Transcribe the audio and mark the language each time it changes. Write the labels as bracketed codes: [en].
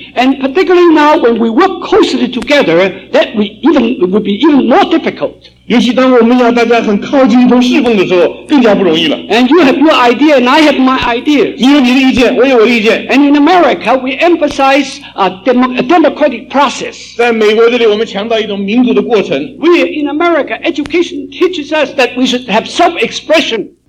[en] And particularly now when we work closely together, that would be even more difficult. [zh] 尤其当我们要大家很靠近一同侍奉的时候，更加不容易了。 [en] And you have your idea and I have my ideas. [zh] 你有你的意见，我有我的意见。 [en] And in America, we emphasize a democratic process. [zh] 在美国这里，我们强调一种民主的过程。 [en] We in America, education teaches us that we should have self-expression.